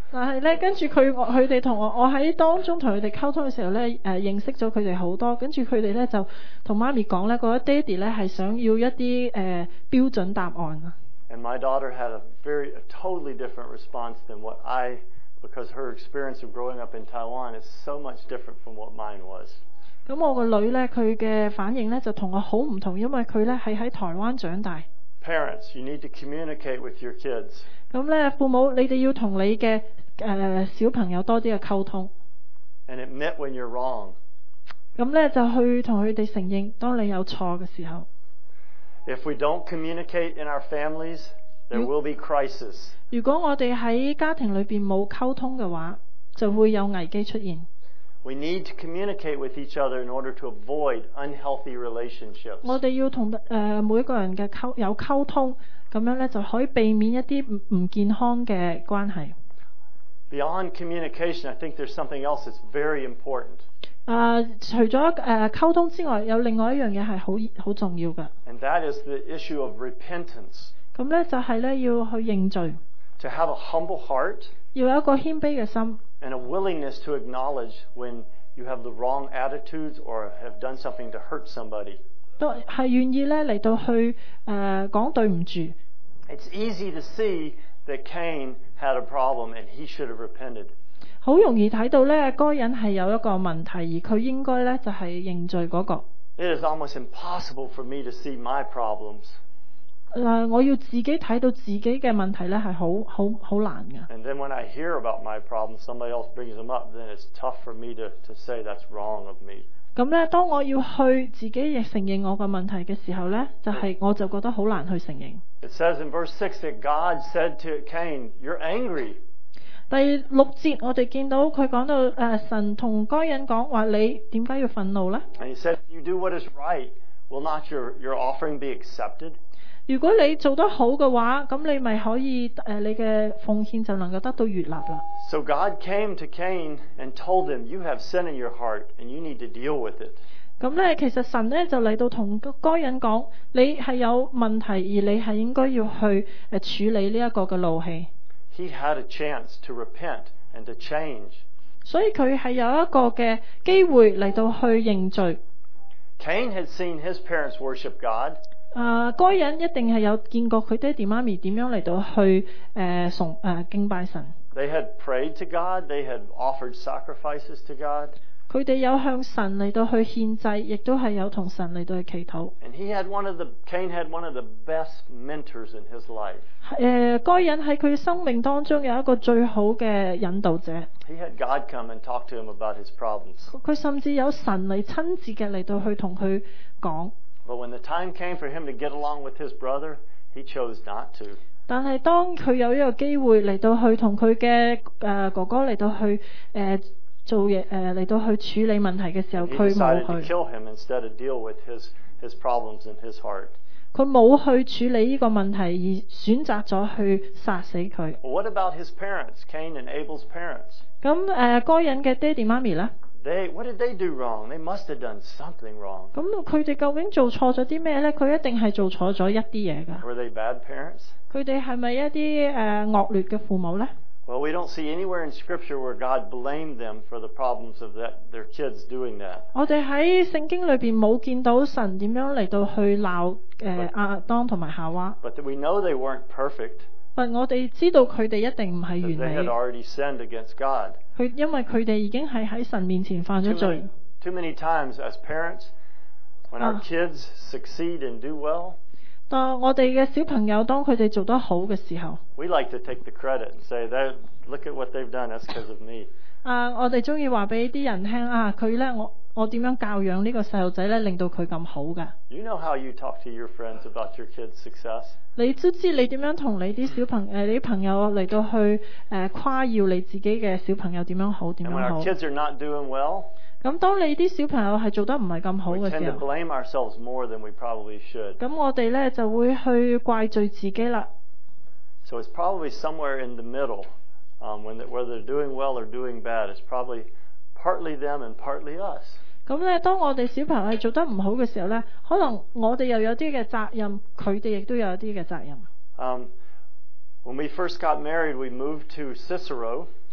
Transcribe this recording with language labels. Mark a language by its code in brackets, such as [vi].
[yue] 但係咧，跟住佢哋同我喺當中同佢哋溝通嘅時候咧，認識咗佢哋好多，跟住佢哋咧就同媽咪講咧，覺得爹哋咧係想要一啲標準答案。 [en] And my daughter had a totally different response than what I, because her experience of growing up in Taiwan is so much different from what mine was. [yue] 咁我個女咧，佢嘅反應咧就同我好唔同，因為佢咧係喺台灣長大。 [en] Parents, you need to communicate with your kids. [yue] 咁咧，父母你哋要同你嘅小朋友多啲嘅溝通。 [en] And admit when you're wrong. [yue] 咁咧就去同佢哋承認，當你有錯嘅時候。 [en] If we don't communicate in our families, there will be crisis. [yue] 如果我哋喺家庭裏邊冇溝通嘅話，就會有危機出現。 [en] We need to communicate with each other in order to avoid unhealthy relationships. [yue] 我哋要同每個人嘅溝通，咁樣咧就可以避免一啲唔健康嘅關係。 [en] Beyond communication, I think there's something else that's very important. [yue] 除咗溝通之外，有另外一樣嘢係好重要嘅。 [en] And that is the issue of repentance. [yue] 咁咧就係咧要去認罪。 [en] To have a humble heart. [yue] 要有一個謙卑嘅心。 [en] And a willingness to acknowledge when you have the wrong attitudes or have done something to hurt somebody. [yue] 都係願意咧嚟到去講對唔住。 [en] It's easy to see that Cain had a problem and he should have repented. [yue] 好容易睇到咧，該人係有一個問題，而佢應該咧就係認罪嗰個。 [en] It is almost impossible for me to see my problems. [yue] 我要自己睇到自己嘅問題咧，係好難嘅。 [en] And then when I hear about my problems, somebody else brings them up, then it's tough for me to say that's wrong of me. [yue] 咁咧，當我要去自己承認我嘅問題嘅時候咧，就係我就覺得好難去承認。 [en] It says in verse 6 that God said to Cain, "You're angry." [yue] 第六節我哋見到佢講到神同該隱講話，你點解要憤怒咧 [en] ？And he said, "You do what is right. Will not your offering be accepted?" [yue] 如果你做得好嘅話，咁你咪可以你嘅奉獻就能夠得到悦納啦。 [en] So God came to Cain and told him, "You have sin in your heart, and you need to deal with it." [yue] 咁咧，其實神咧就嚟到同該隱講，你係有問題，而你係應該要去處理呢一個嘅怒氣。 [en] He had a chance to repent and to change. [yue] 所以佢係有一個嘅機會嚟到去認罪。 [en] Cain had seen his parents worship God. [yue] 該隱一定係有見過佢爹哋媽咪點樣嚟到去敬拜神。 [en] They had prayed to God. They had offered sacrifices to God. [yue] 佢哋有向神嚟到去獻祭，亦都係有同神嚟到去祈禱。 [en] And Cain had one of the best mentors in his life. [yue] 該隱喺佢生命當中有一個最好嘅引導者。 [en] He had God come and talk to him about his problems. [yue] 佢甚至有神嚟親自嘅嚟到去同佢講。 [en] But when the time came for him to get along with his brother, he chose not to. [yue] 但係當佢有一個機會嚟到去同佢嘅哥哥嚟到去做嘢嚟到去處理問題嘅時候，佢冇去。 [en] He decided to kill him instead of deal with his problems in his heart. [yue] 佢冇去處理呢個問題，而選擇咗去殺死佢。 [en] What about his parents, Cain and Abel's parents? [yue] 咁該隱嘅爹哋媽咪咧？ [en] What did they do wrong? They must have done something wrong. [yue] 咁佢哋究竟做錯咗啲咩咧？佢一定係做錯咗一啲嘢㗎。 [en] Were they bad parents? [yue] 佢哋係咪一啲惡劣嘅父母咧 [en] ？Well, we don't see anywhere in Scripture where God blamed them for the problems of their kids doing that. [yue] 我哋喺聖經裏邊冇見到神點樣嚟到去鬧亞當同埋夏娃。 [en] But we know they weren't perfect. [yue] 但我哋知道佢哋一定唔係完美。 [en] They had already sinned against God. [yue] 因為佢哋已經係喺神面前犯咗罪。 [en] Too many times as parents, when our kids succeed and do well, [yue] 當我哋嘅小朋友當佢哋做得好嘅時候 [en] ，we like to take the credit and say that look at what they've done. That's because of me. [yue] 我哋中意話俾啲人聽啊，佢咧我點樣教養呢個細路仔咧，令到佢咁好嘅。 [en] You know how you talk to your friends about your kids' success. [yue] 你知唔知你點樣同你啲小朋友、你朋友嚟到去誇耀你自己嘅小朋友點樣好點樣好 [en] ？And when our kids are not doing well, [yue] 咁當你啲小朋友係做得唔係咁好嘅時候 [en] ，we tend to blame ourselves more than we probably should. [yue] 咁我哋咧就會去怪罪自己啦。 [en] So it's probably somewhere in the middle. Whether they're doing well or doing bad, it's probably partly them and partly us. [yue] 咁咧，當我哋小朋友做得唔好嘅時候咧，可能我哋又有啲嘅責任，佢哋亦都有啲嘅責任。 [en] When we first got married, we moved to Cicero.